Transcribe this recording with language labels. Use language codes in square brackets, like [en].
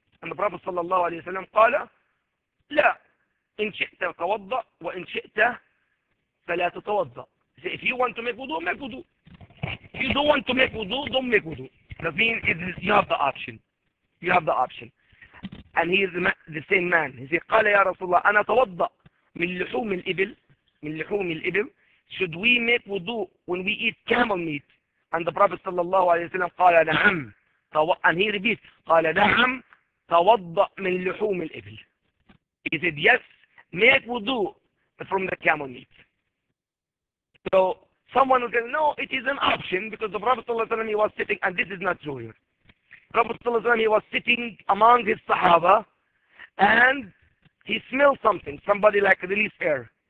[en] And the Prophet [ar] صلى الله عليه وسلم قال, لا, إن شئت توضأ وإن شئت فلا تتوضأ. [en] So if you want to make wudu, make wudu. If you don't want to make wudu, don't make wudu. That means it is, you have the option. You have the option. And he is the same man. He said, [ar] قال يا رسول الله, أنا توضأ من لحوم الإبل. من لحوم الإبل. [en] Should we make wudu when we eat camel meat? And the Prophet [ar] صلى الله عليه وسلم قال نعم. [en] And he repeats, [ar] قال نعم, توضأ من لحوم الإبل. [en] He said, yes, make wudu from the camel meat. So someone will say, no, it is an option because the Prophet [ar] صلى الله عليه وسلم, [en] he was sitting, and this is not true here. Prophet [ar] صلى الله عليه وسلم, [en] he was sitting among his Sahaba, and he smelled something, somebody like released air.